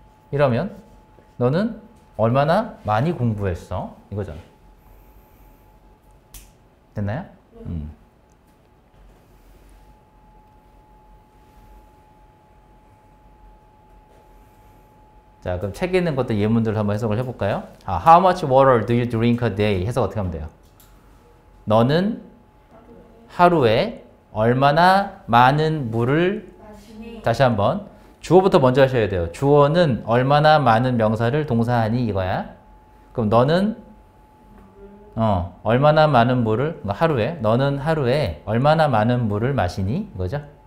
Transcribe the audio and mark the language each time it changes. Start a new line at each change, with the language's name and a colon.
Korean: 이러면 너는 얼마나 많이 공부했어? 이거잖아. 됐나요? 자, 그럼 책에 있는 것도 예문들 한번 해석을 해볼까요?
English: 아, How much water do you drink a day?
Korean: 해석 어떻게 하면 돼요? 너는 하루에 얼마나 많은 물을 마시니? 다시 한번 주어부터 먼저 하셔야 돼요. 주어는 얼마나 많은 명사를 동사하니 이거야. 그럼 너는 얼마나 많은 물을 하루에 너는 하루에 얼마나 많은 물을 마시니 이거죠?